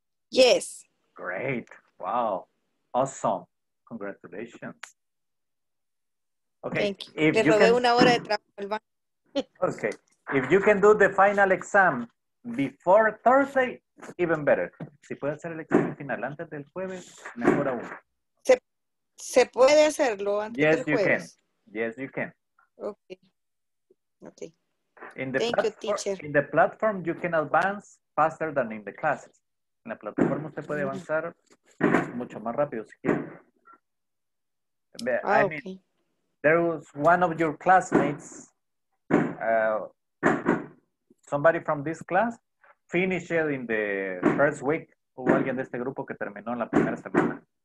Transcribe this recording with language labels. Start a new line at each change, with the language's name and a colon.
English: Yes. Great. Wow. Awesome. Congratulations. Okay. Thank you.
Spanish: Le robé una hora de trabajo al banco. Okay.
English: If you can do the final exam before Thursday, even better.
Spanish: Si puede hacer el examen final antes del jueves, mejor aún. Se puede hacerlo antes
English: yes,
Spanish: del jueves.
English: Yes, you can. Yes, you can. Okay. Okay. In the Thank you, teacher. In the platform, you can advance faster than in the classes.
Spanish: En la plataforma usted puede avanzar mucho más rápido si quiere.
English: Okay. Mean, there was one of your classmates, somebody from this class, finished in the first week.
Spanish: Hubo alguien de este grupo que terminó en la primera semana.